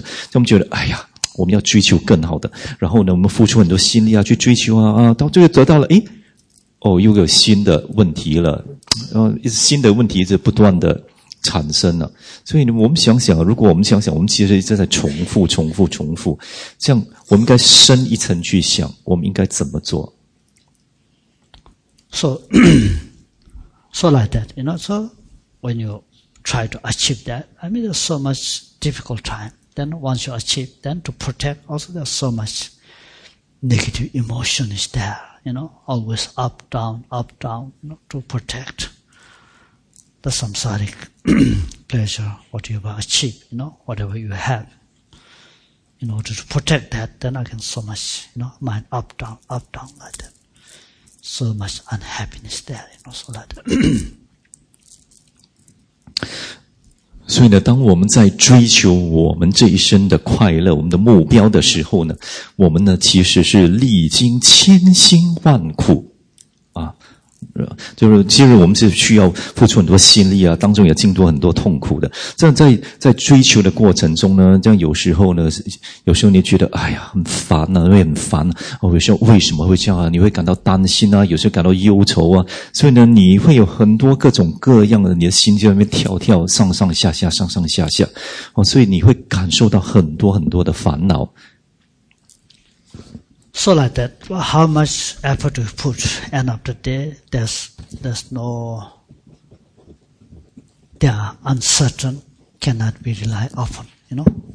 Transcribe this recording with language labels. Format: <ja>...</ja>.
<zh>那我们觉得，哎呀，我们要追求更好的，然后呢，我们付出很多心力啊去追求啊，到最后得到了，又有新的问题了，新的问题一直不断的。产生了，所以我们想想，如果我们想想，我们其实一直在重复，这样我们应该深一层去想，我们应该怎么做。</zh> <en>So like that, you know. So when you try to achieve that, I mean, there's so much difficult time. Then once you achieve, then to protect, also there's so much negative emotion is there. You know, always up down, you know, to protect. The samsaric pleasure, what you have achieved, you know, whatever you have, in order to protect that, then again, so much, you know, mind up down like that. So much unhappiness there, you know, so like that.</en> <zh>所以呢，当我们在追求我们这一生的快乐，我们的目标的时候呢，我们呢，其实是历经千辛万苦啊。就是其实我们是需要付出很多心力啊，当中也经过很多痛苦的。这样在追求的过程中呢，这样有时候呢，有时候你觉得哎呀很烦啊，会很烦啊，有时候为什么会这样啊，你会感到担心啊，有时候感到忧愁啊，所以呢你会有很多各种各样的，你的心就在那边跳跳上上下下上上下下、哦、所以你会感受到很多很多的烦恼。</zh> <en>So like that, well, how much effort you put, end of the day, there's no, they are uncertain, cannot be relied upon, you know.</en>